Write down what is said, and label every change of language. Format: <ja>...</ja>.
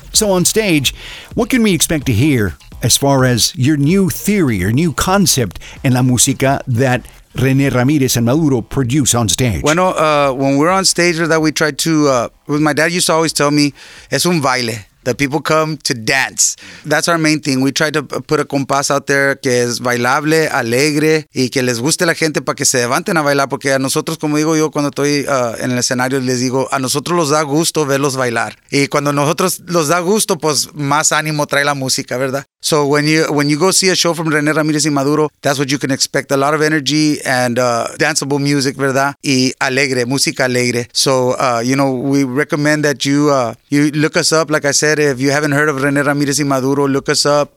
<en>So on stage, what can we expect to hear as far as your new theory or new concept in la música that René Ramírez and Maduro produce on stage? Bueno, when we're on stage, that we try to, my dad used to always tell me,</en> <es>es un baile,</es> <en>that people come to dance. That's our main thing. We try to put a compás out there</en> <es>que es bailable, alegre, y que les guste la gente para que se levanten a bailar, porque a nosotros, como digo yo, cuando estoy en el escenario, les digo, a nosotros los da gusto verlos bailar. Y cuando a nosotros los da gusto, pues más ánimo trae la música, ¿verdad?</es> <en>So when you go see a show from René Ramírez y Maduro, that's what you can expect. A lot of energy and danceable music, ¿verdad?</en> <es>Y alegre, música alegre.</es> <en>So, you know, we recommend that you look us up. Like I said, if you haven't heard of René Ramírez y Maduro, look us up.</en>